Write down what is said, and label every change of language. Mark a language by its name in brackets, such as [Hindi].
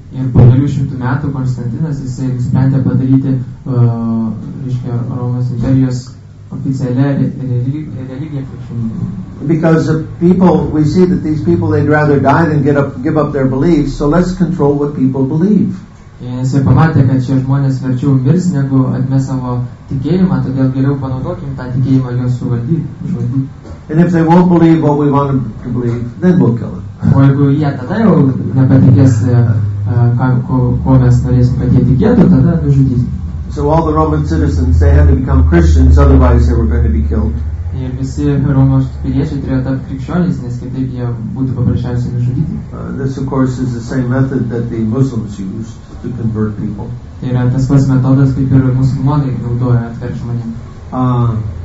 [Lithuanian] Ir po 200 metų Konstantinas jisai nusprendė padaryti Romos imperijos oficialią religiją. [English] Because the people, we see that these people they'd rather die than give up their beliefs, so let's control what people believe. [Lithuanian] Jisai pamatė, kad šie žmonės verčiau mirs, negu atmes savo tikėjimą, todėl geriau panaudokim tą tikėjimą jo suvaldyti. [English] And if they won't believe what we want them to believe, then we'll kill them. [Lithuanian] O jeigu jie tada jau nepatikės ko mes norėsim, kad jie tikėtų, tada nužudys. [English] So all the Roman citizens, they had to become Christians, otherwise they were going to be killed. [Lithuanian] Ir visi Romos piliečiai turėjo tapti krikščionys, nes kitaip jie būtų paprasčiausiai nužudyti. [English] This, of course, is the same method that the Muslims used to convert people. [Lithuanian] Tai yra tas pats metodas, kaip ir musulmonai naudoja atverti žmonėm.